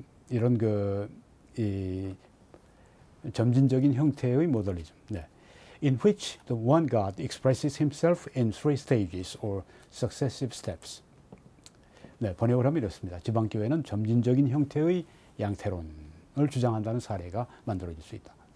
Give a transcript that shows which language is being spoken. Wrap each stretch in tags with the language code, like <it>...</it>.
<ko>이런 점진적인 형태의 모더니즘.</ko> <en>In which the one God expresses himself in three stages or successive steps.</en> <ko>번역을 하면 이렇습니다. 지방교회는 점진적인 형태의 양태론을 주장한다는 사례가 만들어질 수 있다.</ko>